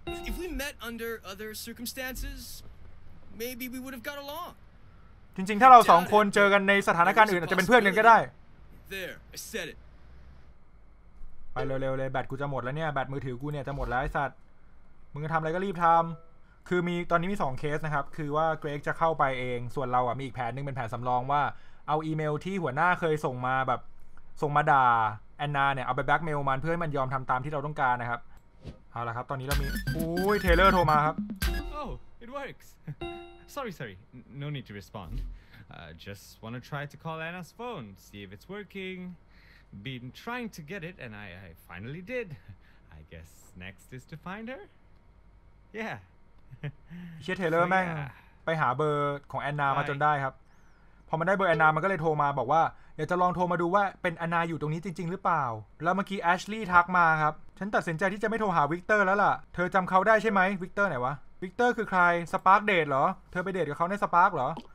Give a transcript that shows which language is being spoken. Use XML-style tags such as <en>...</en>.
<en>If we met under other circumstances, maybe we would have got along.</en> <th>จริงๆถ้าเราสองคนเจอกันในสถานการณ์อื่นอาจจะเป็นเพื่อนกันก็ได้</th> <en>There, I said it.</en> <th>ไปเร็วๆเลยแบตกูจะหมดแล้วเนี่ยแบตมือถือกูเนี่ยจะหมดแล้วไอ้สัตว์มึงจะทำอะไรก็รีบทำคือมีตอนนี้มี2เคสนะครับคือว่าเกรกจะเข้าไปเองส่วนเราอ่ะมีอีกแผนนึงเป็นแผนสำรองว่าเอาอีเมลที่หัวหน้าเคยส่งมาแบบส่งมาด่าแอนนาเนี่ยเอาไปแบ็กเมลมันเพื่อให้มันยอมทำตามที่เราต้องการนะครับเอาละครับตอนนี้เรามีอุ้ยเทเลอร์โทรมาครับ</th> <en>Oh it works sorry no need to respond just want to try to call Anna's phone see if it's working been trying to get it and I finally did I guess next is to find her yeah</en> <th>เชื่อเทเลอร์แม่งไปหาเบอร์ของแอนนามาจนได้ครับพอมันได้เบอร์แอนนามันก็เลยโทรมาบอกว่าอยากจะลองโทรมาดูว่าเป็นแอนนาอยู่ตรงนี้จริงๆหรือเปล่าแล้วเมื่อกี้แอชลี่ทักมาครับฉันตัดสินใจที่จะไม่โทรหาวิกเตอร์แล้วล่ะเธอจำเขาได้ใช่ไหมวิกเตอร์ไหนวะวิกเตอร์คือใครสปาร์กเดทเหรอเธอไปเดทกับเขาในสปาร์กเหรอ</th>